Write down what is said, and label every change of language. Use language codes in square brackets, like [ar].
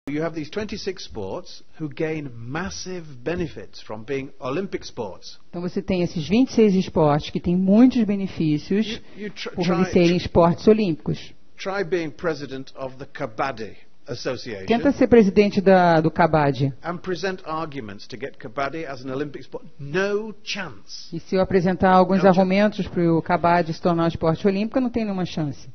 [en] You have these 26 sports who gain massive benefits from being Olympic sports. [pt] Então você tem esses 26 esportes que têm muitos benefícios por eles serem esportes olímpicos. [en] Try being president of the Kabaddi Association. [pt] Tenta ser presidente do Kabaddi. [en] And present arguments to get Kabaddi as an Olympic sport. No chance. [pt] E se eu apresentar alguns argumentos para o Kabaddi se tornar um esporte olímpico, não tem nenhuma chance.